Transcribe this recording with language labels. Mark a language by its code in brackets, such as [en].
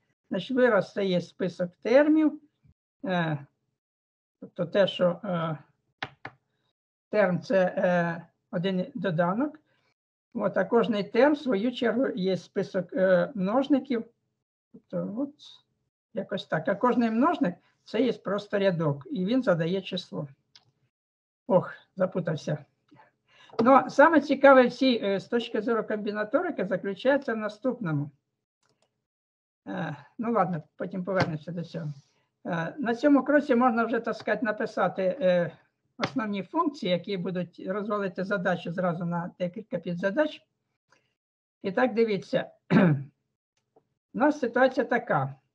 [uk] Значить, вираз – це є список термів, тобто те, що терм – це один доданок. От, а кожний терм, в свою чергу, є список множників. Тобто, от, якось так. А кожний множник – це є просто рядок, і він задає число. Ох, запутався. [ru] Но самое цікавое с точки зрения комбинаторики заключается в наступном. [uk] Ну ладно, потім повернемся до цього. На цьому кроці можна вже, [ru] так сказать, [uk] написати основні функції, які будуть розвалити задачу зразу на декілька підзадач. І так, дивіться, у нас ситуація така.